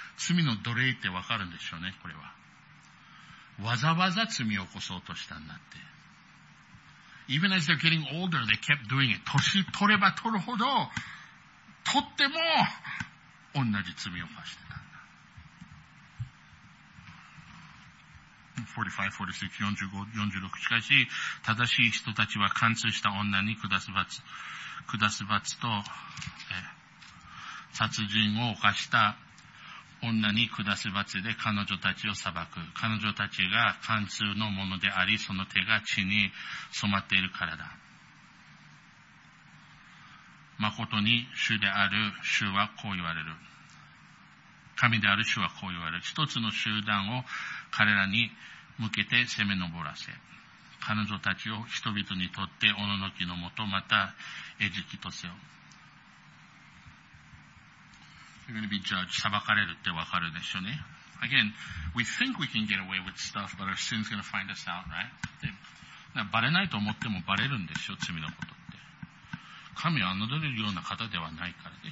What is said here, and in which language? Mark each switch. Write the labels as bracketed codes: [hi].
[ja] 罪の奴隷ってわかるんでしょうね、これは。わざわざ罪を起こそうとしたんだって。 [en] Even as they're getting older, they kept doing it. [ja] 年取れば取るほど、取っても、同じ罪を犯してたんだ。 [en] 45, 46, 45, 46. [ja] しかし、正しい人たちは貫通した女に下す罰と、殺人を犯した女に下す罰で彼女たちを裁く。彼女たちが貫通のものであり、その手が血に染まっているからだ。まことに主である主はこう言われる。神である主はこう言われる。一つの集団を彼らに向けて攻め上らせ。彼女たちを人々にとっておののきのもと、また餌食とせよ。 [en] You're going to be judged. [ja] 裁かれるってわかるでしょうね。 [en] Again, we think we can get away with stuff, but our sin's going to find us out, right? [ja] バレないと思ってもバレるんでしょ、罪のことって。神は侮れるような方ではないからね。